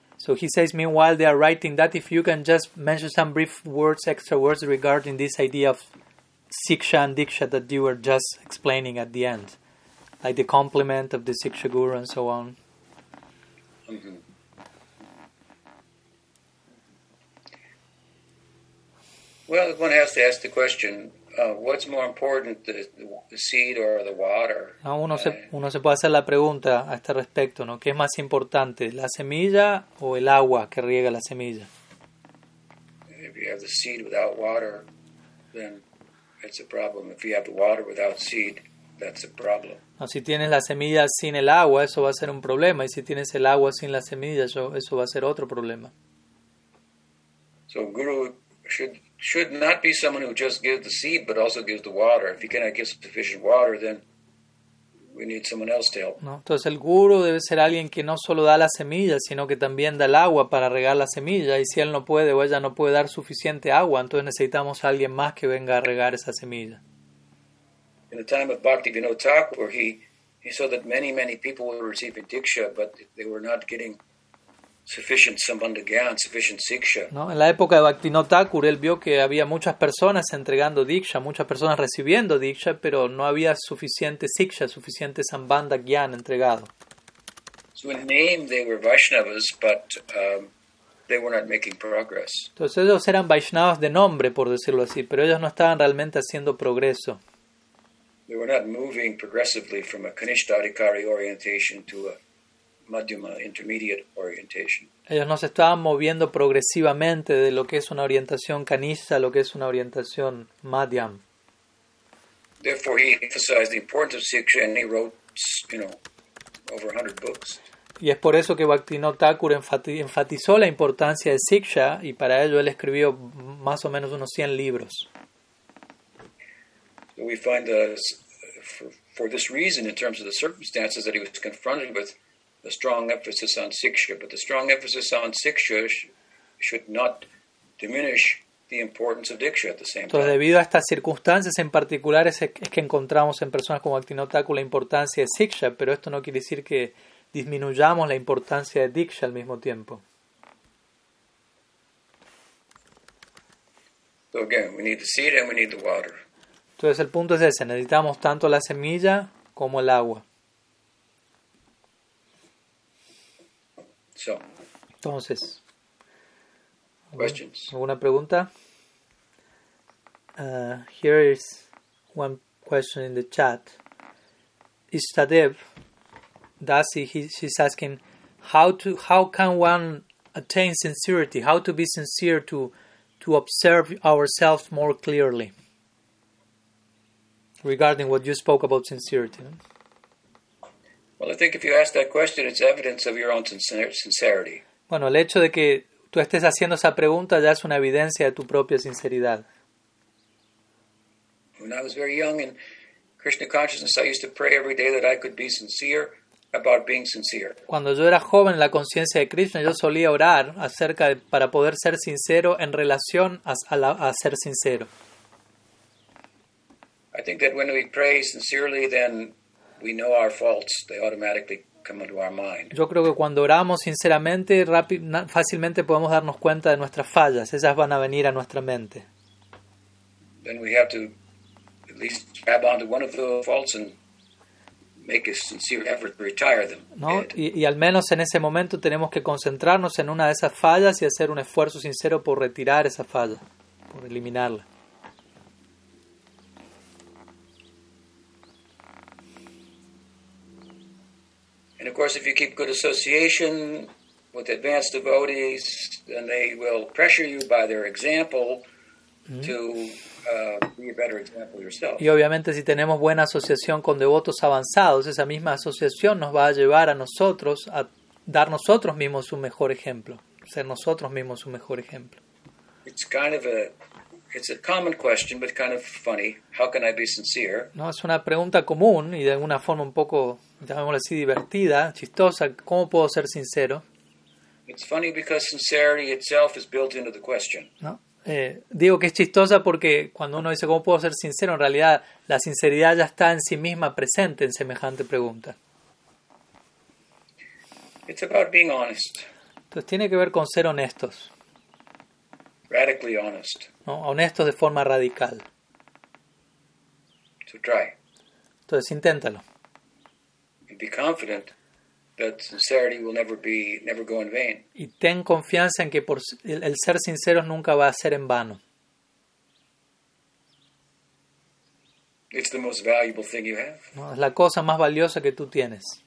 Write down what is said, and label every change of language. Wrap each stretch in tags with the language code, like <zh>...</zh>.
<en>So he says, meanwhile they are writing that, if you can just mention some brief words, extra words regarding this idea of Siksha and Diksha that you were just explaining at the end, like the complement of the Siksha Guru and so on. Well, one has to ask the question, what's more important, the seed or the water?</en> <es>No, uno se puede hacer la pregunta a este respecto, ¿no? ¿Qué es más importante, la semilla o el agua que riega la semilla?</es> <en>If you have the seed without water, then it's a problem. If you have the water without seed, that's a problem.</en> <es>No, si tienes la semilla sin el agua, eso va a ser un problema. Y si tienes el agua sin la semilla, eso va a ser otro problema.</es> <en>So, Guru should not be someone who just gives the seed but also gives the water. If he cannot give sufficient water, then we need someone else to help.</en> <es>No, entonces el guru debe ser alguien que no solo da la semilla, sino que también da el agua para regar la semilla. Y si él no puede o ella no puede dar suficiente agua, entonces necesitamos a alguien más que venga a regar esa semilla.</es> <en>In the time of Bhaktivinoda Thakur, he saw that many, many people were receiving diksha, but they were not getting sufficient sambandhagyan, sufficient siksha.</en> <es>No, en la época de Bhaktivinoda Thakur, él vio que había muchas personas entregando diksha, muchas personas recibiendo diksha, pero no había suficiente siksha, suficiente sambandhagyan entregado.</es> <en>So in name they were Vaishnavas, but they were not making progress.</en> <es>Entonces ellos eran Vaishnavas de nombre, por decirlo así, pero ellos no estaban realmente haciendo progreso.</es> <en>They were not moving progressively from a Kanishtha Adhikari orientation to a Madhyama, intermediate orientation.</en> <es>Ellos no se estaban moviendo progresivamente de lo que es una orientación canista a lo que es una orientación Madhyam.</es> <en>Therefore, he emphasized the importance of Siksha, and he wrote, over 100 books.</en> <es>y es por eso que Bhaktivinoda Thakur enfatizó la importancia de Siksha, y para ello él escribió más o menos unos 100 libros.</es> <en>We find for this reason, in terms of the circumstances that he was confronted with, a strong emphasis on Siksha, but the strong emphasis on Siksha should not diminish the importance of Diksha at the same time.</en> <es>Entonces, debido a estas circunstancias en particular, es que encontramos en personas como Bhaktivinoda Thakur la importancia de Siksha, pero esto no quiere decir que disminuyamos la importancia de Diksha al mismo tiempo.</es> <en>So again, we need the seed and we need the water.</en> <es>Entonces el punto es ese, necesitamos tanto la semilla como el agua.</es> <en>So,</en> <es>entonces,</es> <en>questions.</en> <es>¿Alguna pregunta?</es> <en>Here is one question in the chat. Ishtadev Dasi, she's asking, how can one attain sincerity? How to be sincere to observe ourselves more clearly? Regarding what you spoke about sincerity. Well, I think if you ask that question, it's evidence of your own sincerity.</en> <es>Bueno, el hecho de que tú estés haciendo esa pregunta ya es una evidencia de tu propia sinceridad.</es> <en>When I was very young in Krishna consciousness, I used to pray every day that I could be sincere about being sincere.</en> <es>Cuando yo era joven en la conciencia de Krishna, yo solía orar acerca de, para poder ser sincero en relación a ser sincero.</es> <en>I think that when we pray sincerely, then we know our faults. They automatically come into our mind.</en> <es>Yo creo que cuando oramos sinceramente, fácilmente podemos darnos cuenta de nuestras fallas. Esas van a venir a nuestra mente.</es> <en>Then we have to at least grab onto one of the faults and make a sincere effort to retire them.</en> <es>No, y al menos en ese momento tenemos que concentrarnos en una de esas fallas y hacer un esfuerzo sincero por retirar esa falla, por eliminarla.</es> <en>And of course, if you keep good association with advanced devotees, then they will pressure you by their example to be a better example yourself.</en> <es>Y obviamente, si tenemos buena asociación con devotos avanzados, esa misma asociación nos va a llevar a nosotros a dar nosotros mismos un mejor ejemplo, ser nosotros mismos un mejor ejemplo.</es> <en>It's kind of a common question, but kind of funny. How can I be sincere?</en> <es>No, es una pregunta común y de alguna forma un poco, llamémosla así, divertida, chistosa. ¿Cómo puedo ser sincero?</es> <en>It's funny because sincerity itself is built into the question.</en> <es>No, digo que es chistosa porque cuando uno dice cómo puedo ser sincero, en realidad la sinceridad ya está en sí misma presente en semejante pregunta.</es> <en>It's about being honest.</en> <es>Entonces tiene que ver con ser honestos.</es> <en>Radically honest.</en> <es>No, honestos de forma radical.</es> <en>So try.</en> <es>Entonces inténtalo.</es> <en>Be confident that sincerity will never go in vain.</en> <es>Y ten confianza en que por el ser sinceros nunca va a ser en vano.</es> <en>It's the most valuable thing you have.</en> <es>No, es la cosa más valiosa que tú tienes.</es>